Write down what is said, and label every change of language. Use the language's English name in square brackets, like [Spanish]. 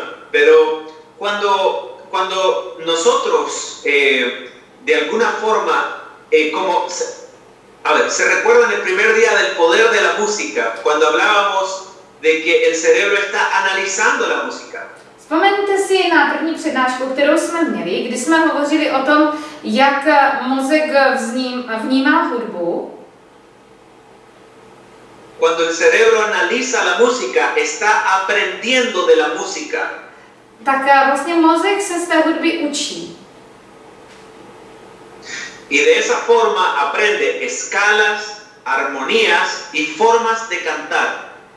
[Spanish] Pero cuando nosotros de alguna forma como a ver, se recuerdan el primer día del poder de la música, cuando hablábamos de que el cerebro está analizando la música. [Czech] Vzpomeňte si na první přednášku, kterou jsme měli, kdy jsme hovořili o tom, jak mozek vnímá hudbu. [Spanish] Cuando el cerebro analiza la música, está aprendiendo de la música. [Czech] Tak vlastně mozek se z té hudby učí. [Spanish] Y de esa forma aprende escalas, armonías y formas de cantar.